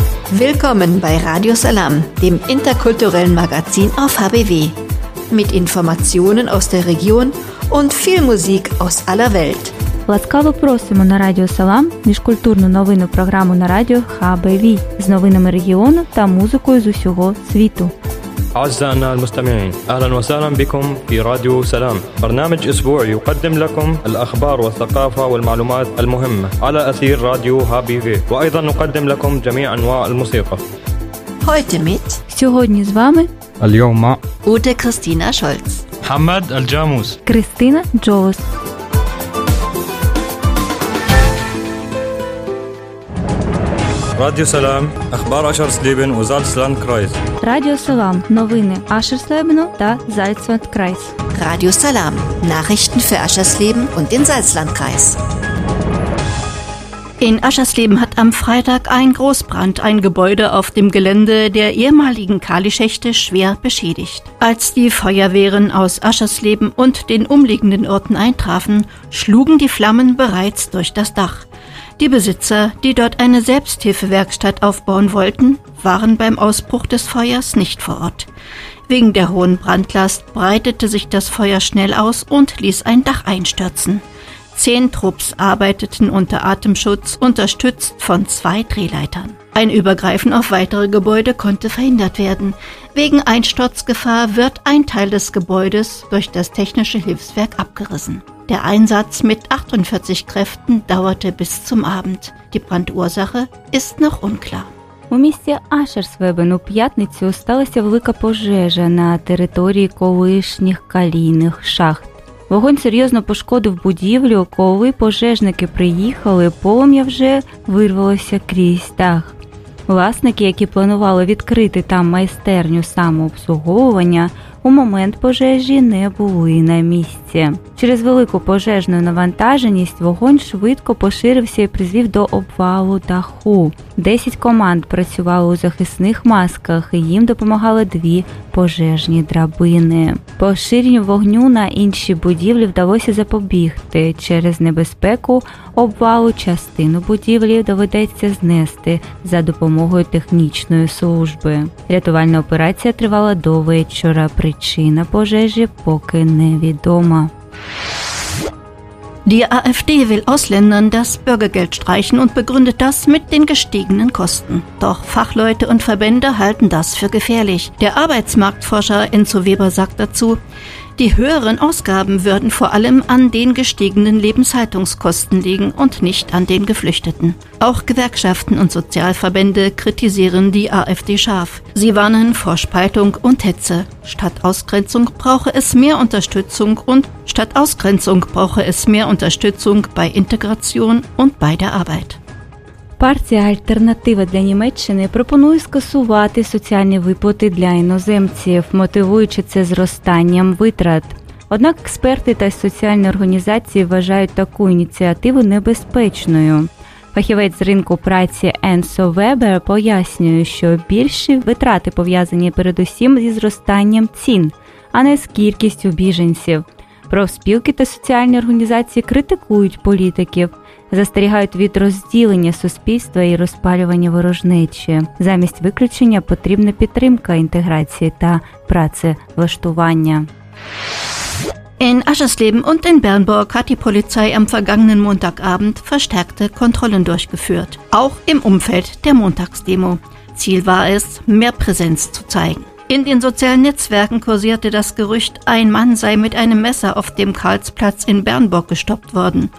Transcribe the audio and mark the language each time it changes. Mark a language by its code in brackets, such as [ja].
[de] Willkommen bei Radio Salam, dem interkulturellen Magazin auf HBW. Mit Informationen aus der Region und viel Musik aus aller Welt. [uk] Ласкаво просимо на Радіо Салам міжкультурну новинну програму на радіо HBV з новинами регіону та музикою з усього світу. [ar] أعزائنا المستمعين أهلا وسهلا بكم في راديو سلام برنامج أسبوعي يقدم لكم الأخبار والثقافة والمعلومات المهمة على أثير راديو هابي في وأيضا نقدم لكم جميع أنواع الموسيقى [de] Heute mit [uk] Сьогодні з вами [ar] اليوم مع [de] Ute Christina Scholz [ar] محمد الجاموس [de] Christina Jones [ar] Радіо Салам, Ахбар Ашерслібен у Зальцландкрайс. [uk] Радіо Салам, новини Ашерслібену та Зальцландкрайс. [de] Радіо Салам, Nachrichten für Ашерслібен und den Salzlandkreis. In Ашерслібен hat am Freitag ein Großbrand ein Gebäude auf dem Gelände der ehemaligen Kalischächte schwer beschädigt. Als die Feuerwehren aus Ашерслібен und den umliegenden Orten eintrafen, schlugen die Flammen bereits durch das Dach. Die Besitzer, die dort eine Selbsthilfewerkstatt aufbauen wollten, waren beim Ausbruch des Feuers nicht vor Ort. Wegen der hohen Brandlast breitete sich das Feuer schnell aus und ließ ein Dach einstürzen. 10 Trupps arbeiteten unter Atemschutz, unterstützt von 2 Drehleitern. Ein Übergreifen auf weitere Gebäude konnte verhindert werden. Wegen Einsturzgefahr wird ein Teil des Gebäudes durch das technische Hilfswerk abgerissen. Der Einsatz mit 48 Kräften dauerte bis zum Abend. Die Brandursache ist noch unklar. [uk] У місті Ашерслібен у п'ятницю сталася велика пожежа на території колишніх калійних шахт. Вогонь серйозно пошкодив будівлю, коли пожежники приїхали, полум'я вже вирвалося крізь дах. Власники, які планували відкрити там майстерню самообслуговування, у момент пожежі не були на місці. Через велику пожежну навантаженість вогонь швидко поширився і призвів до обвалу даху. 10 команд працювали у захисних масках, і їм допомагали 2 пожежні драбини. Поширенню вогню на інші будівлі вдалося запобігти. Через небезпеку обвалу частину будівлі доведеться знести за допомогою технічної служби. Рятувальна операція тривала до вечора. Причина пожежі поки невідома. [de] Die AfD will Ausländern das Bürgergeld streichen und begründet das mit den gestiegenen Kosten. Doch Fachleute und Verbände halten das für gefährlich. Der Arbeitsmarktforscher Enzo Weber sagt dazu, die höheren Ausgaben würden vor allem an den gestiegenen Lebenshaltungskosten liegen und nicht an den Geflüchteten. Auch Gewerkschaften und Sozialverbände kritisieren die AfD scharf. Sie warnen vor Spaltung und Hetze. Statt Ausgrenzung brauche es mehr Unterstützung bei Integration und bei der Arbeit. [uk] Партія «Альтернатива для Німеччини» пропонує скасувати соціальні виплати для іноземців, мотивуючи це зростанням витрат. Однак експерти та соціальні організації вважають таку ініціативу небезпечною. Фахівець з ринку праці Енсо Вебер пояснює, що більші витрати пов'язані передусім зі зростанням цін, а не з кількістю біженців. Профспілки та соціальні організації критикують політиків, застерігають від розділення суспільства і розпалювання ворожнечі. Замість виключення потрібна підтримка інтеграції та працевлаштування. [de] In Ашерслібен und in Bernburg hat die Polizei am vergangenen Montagabend verstärkte Kontrollen durchgeführt, auch im Umfeld der Montagsdemo. Ziel war es, mehr Präsenz zu zeigen. In den sozialen Netzwerken kursierte das Gerücht, ein Mann sei mit einem Messer auf dem Karlsplatz in Bernburg gestoppt worden.